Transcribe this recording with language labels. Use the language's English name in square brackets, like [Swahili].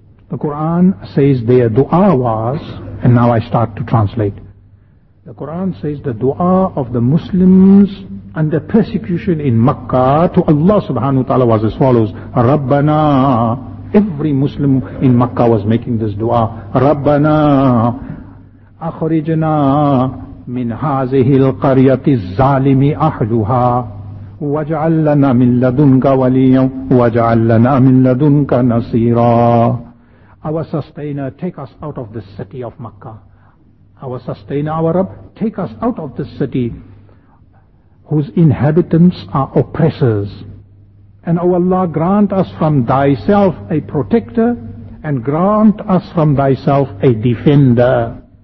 [English] The Quran says their dua was, and now I start to translate. The Quran says the dua of the Muslims under persecution in Makkah to Allah subhanahu wa ta'ala was as follows. Rabbana. Every Muslim in Makkah was making this dua. [Arabic] Rabbana. Akhrijna. من هذه القرية الظالم أهلها واجعل لنا من لدنك وليا واجعل لنا من لدنك نصيرا. [English] Our sustainer, take us out of this city of Makkah. Our sustainer, our Rabb, take us out of this city whose inhabitants are oppressors. And O Allah, grant us from thyself a protector and grant us from thyself a defender.